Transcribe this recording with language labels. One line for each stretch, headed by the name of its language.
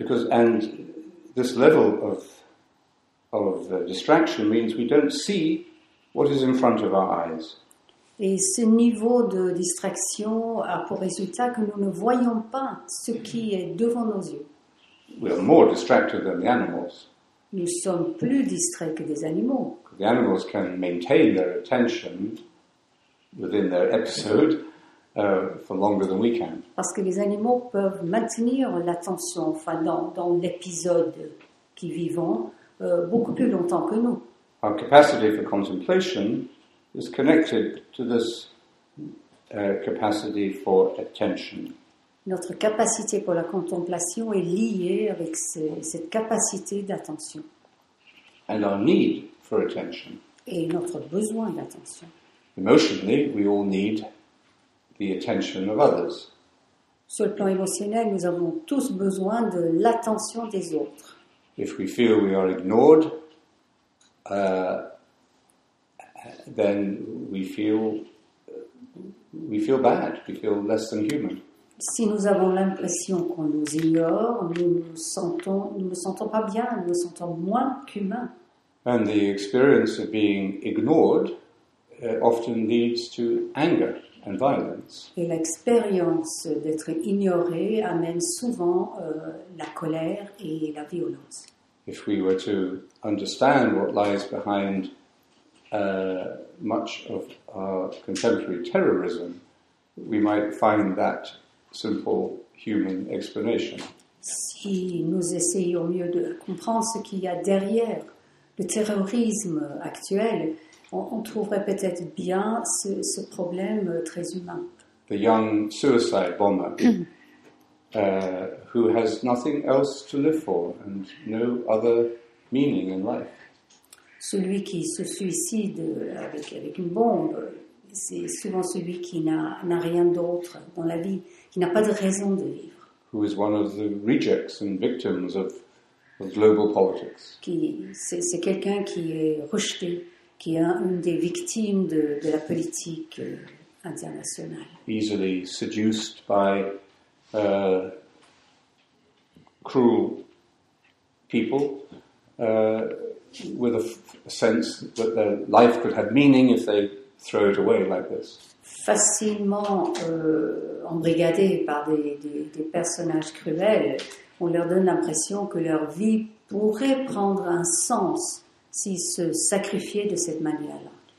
English: And this level of distraction means we don't see what is in front of our eyes.
French: Et ce niveau de distraction a pour résultat que nous ne voyons pas ce qui est devant nos yeux.
English: We are more distracted than the animals.
French: Nous sommes plus distraits que des animaux.
English: The animals can maintain their attention within their episode for longer than we can.
French: Parce que les animaux peuvent maintenir l'attention enfin dans l'épisode qu'ils vivent beaucoup plus longtemps que nous.
English: Our capacity for contemplation is connected to this capacity for attention.
French: Notre capacité pour la contemplation est liée avec cette capacité d'attention.
English: And our need for attention.
French: Et notre besoin d'attention.
English: Emotionally, we all need the attention of others.
French: Sur le plan émotionnel, nous avons tous besoin de l'attention des autres.
English: If we feel we are ignored, then we feel bad, we feel less than human.
French: Si nous avons l'impression qu'on nous ignore, nous ne nous sentons pas bien, nous nous sentons moins qu'humains.
English: And the experience of being ignored often leads to anger and violence.
French: Et l'expérience d'être ignoré amène souvent la colère et la violence.
English: if we were to understand what lies behind much of our contemporary terrorism, we might find that simple human explanation.
French: Si nous essayons mieux de comprendre ce qu'il y a derrière le terrorisme actuel, on trouverait peut-être bien ce problème très humain.
English: The young suicide bomber who has nothing else to live for and no other meaning in life.
French: Celui qui se suicide avec une bombe, c'est souvent celui qui n'a rien d'autre dans la vie, qui n'a pas de raison de vivre.
English: Who is one of the rejects and victims of global politics.
French: C'est quelqu'un qui est rejeté, qui est une des victimes de la politique internationale.
English: Easily seduced by cruel people with a sense that their life could have meaning if they throw it away like this.
French: Facilement embrigadé par des personnages cruels, on leur donne l'impression que leur vie pourrait prendre un sens s'ils se sacrifiaient de cette manière-là.